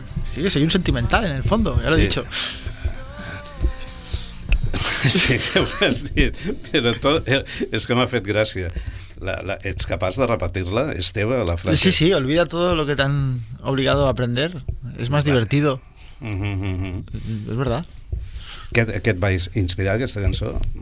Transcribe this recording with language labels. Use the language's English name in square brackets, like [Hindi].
[Spanish] Sí, soy un sentimental en el fondo, ya lo he dicho. [Catalan] Sí, però tot, és que m'ha fet gràcia. Ets capaç de repetir-la, Esteve, la frase? [Spanish] Sí, sí, olvida todo lo que te han obligado a aprender. Es más divertido. És verdad. [Catalan] Què et va inspirar aquesta cançó?